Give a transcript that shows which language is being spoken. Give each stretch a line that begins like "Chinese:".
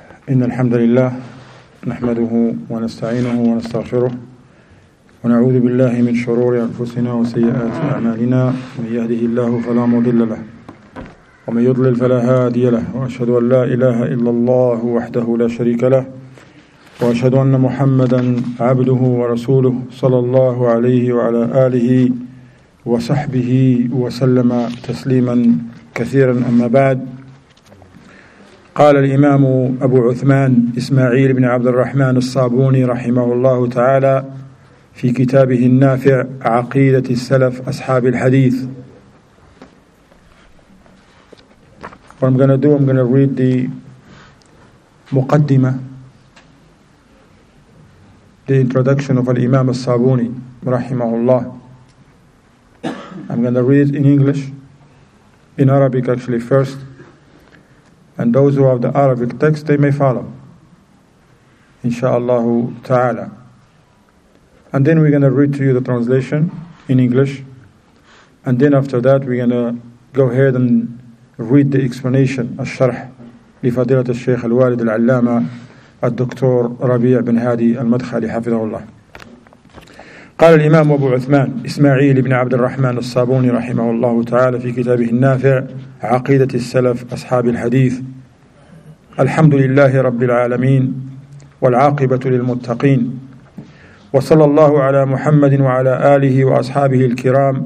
Arabic: إن الحمد لله نحمده ونستعينه ونستغفره ونعوذ بالله من شرور أنفسنا وسيئات أعمالنا، من يهده الله فلا مضل له ومن يضلل فلا هادي له، وأشهد أن لا إله إلا الله وحده لا شريك له، وأشهد أن محمدا عبده ورسوله صلى الله عليه وعلى آله وصحبه وسلم تسليما كثيرا. أما بعد، قال الإمام أبو عثمان إسماعيل بن عبد الرحمن الصابوني رحمه الله تعالى في كتابه النافع عقيدة السلف أصحاب الحديث.
English: What I'm gonna do, I'm gonna read the مقدمة, the introduction of الإمام الصابوني رحمه الله. I'm gonna read in English, in Arabic actually first. And those who have the Arabic text, they may follow, inshallah ta'ala. And then we're going to read to you the translation in English. And then after that, we're going to go ahead and read the explanation, al-sharh,
Arabic: لفضيلة الشيخ الوالد العلامة الدكتور ربيع بن هادي المدخلي حفظه الله. قال الإمام أبو عثمان إسماعيل بن عبد الرحمن الصابوني رحمه الله تعالى في كتابه النافع عقيدة السلف أصحاب الحديث: الحمد لله رب العالمين، والعاقبة للمتقين، وصلى الله على محمد وعلى آله وأصحابه الكرام.